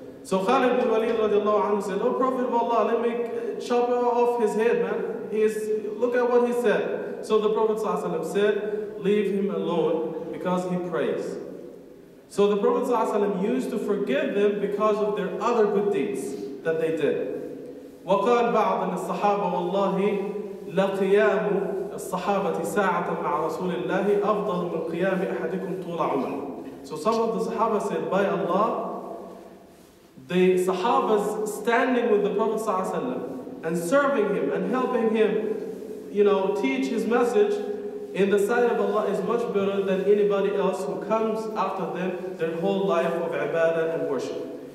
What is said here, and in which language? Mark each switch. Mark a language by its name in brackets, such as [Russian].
[English] So Khalid ibn Walid radiallahu anhu said, oh Prophet of Allah, let me chop off his head, man. Look at what he said. So the Prophet ﷺ said, leave him alone because he prays. So the Prophet ﷺ used to forgive them because of their other good deeds that they did. [Arabic] وقال بعض من الصحابة والله لقيام الصحابة ساعة مع رسول الله أفضل من قيام أحدكم طول عمره. [English] So some of the Sahaba said, by Allah, the Sahaba's standing with the Prophet ﷺ and serving him and helping him, you know, teach his message in the sight of Allah is much better than anybody else who comes after them their whole life of ibadah and worship.